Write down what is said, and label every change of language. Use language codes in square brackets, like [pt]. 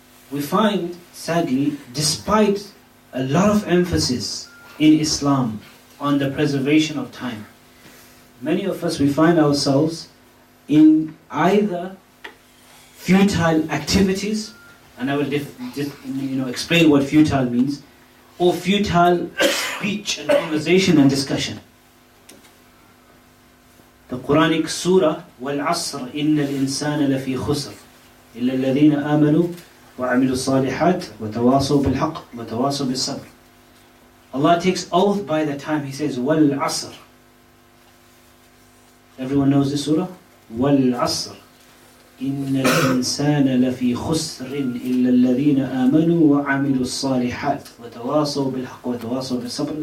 [en] We find, sadly, despite a lot of emphasis in Islam on the preservation of time, many of us, we find ourselves in either futile activities, and I will explain what futile means, or futile speech and conversation and discussion. The Quranic surah, [ar] وَالْعَصْرْ إِنَّ الْإِنسَانَ لَفِي خُسْرْ إِلَّا الَّذِينَ آمَنُوا وَعَمِلُوا الصَّالِحَاتِ وَتَوَاصُوا بِالْحَقِّ وَتَوَاصُوا بِالصَّبْرِ. [en] Allah takes oath by the time, He says, وَالْعَصْرْ. Everyone knows this surah? [ar] وَالْعَصْرْ. إِنَّ الْإِنسَانَ لَفِي خُسْرٍ إِلَّا الَّذِينَ آمَنُوا وَعَمِلُوا الصَّالِحَاتِ وَتَوَاصُوا بِالْحَقِّ وَتَوَاصُوا بِالصَّبْرِ.